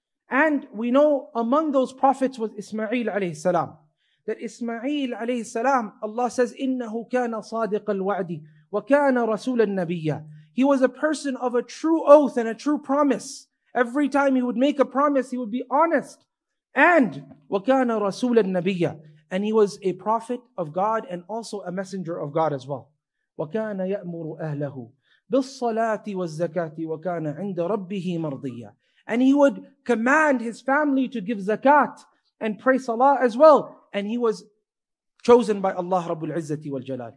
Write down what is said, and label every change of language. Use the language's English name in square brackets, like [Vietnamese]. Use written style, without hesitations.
[English] And we know among those prophets was Ismail alayhi salam. That Ismail alayhi salam, Allah says, [Arabic] إِنَّهُ كَانَ صَادِقَ الْوَعْدِ وَكَانَ رَسُولَ النَّبِيَّ. [English] He was a person of a true oath and a true promise. Every time he would make a promise, he would be honest. And [Arabic] وَكَانَ رَسُولَ النَّبِيَّ. [English] And he was a prophet of God and also a messenger of God as well. [Arabic] وَكَانَ يَأْمُرُ أَهْلَهُ بِالصَّلَاةِ وَالزَّكَاةِ وَكَانَ عِنْدَ رَبِّهِ مَرْضِيَّ. [English] And he would command his family to give zakat and pray salah as well. And he was chosen by Allah [Arabic] رَبُّ الْعِزَّةِ وَالْجَلَالِ.